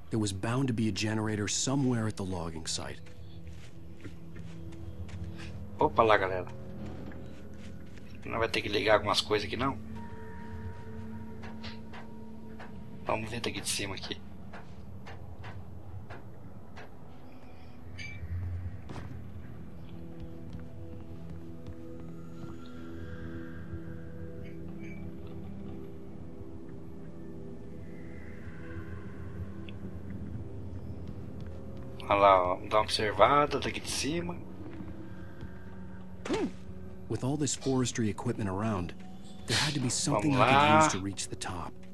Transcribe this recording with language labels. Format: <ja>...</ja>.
<en>There was bound to be a generator somewhere at the logging site.</en> <pt>Opa lá, galera. Não vai ter que ligar algumas coisas aqui, não? Vamos ver daqui de cima aqui. Olha lá, vamos dar uma observada daqui de cima.</pt> <en>With all this forestry equipment around, there had to be something I could use to reach the top.</en>